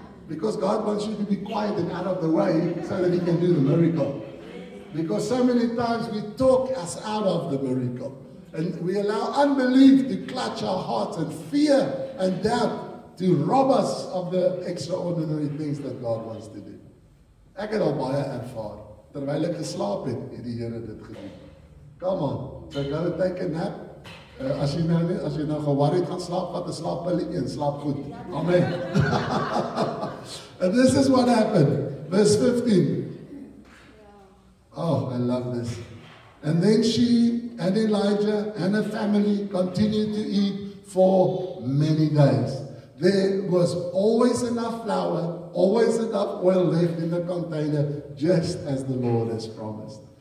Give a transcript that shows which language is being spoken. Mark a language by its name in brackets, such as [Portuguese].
[English] Because God wants you to be quiet and out of the way so that He can do the miracle. Because so many times we talk us out of the miracle. And we allow unbelief to clutch our hearts and fear and doubt to rob us of the extraordinary things that God wants to do. [Afrikaans] Ek het al baie ervaar. Terwyl ek geslaap het, het die Here dit gedoen. [English] Come on, so go take a nap. [Afrikaans] As jy nou geworried gaan slaap, wat 'n slaappilletjie en slaap goed. Amen. [English] And this is what happened. Verse 15. Oh, I love this. And then she and Elijah and her family continued to eat for many days. There was always enough flour, always enough oil left in the container, just as the Lord has promised.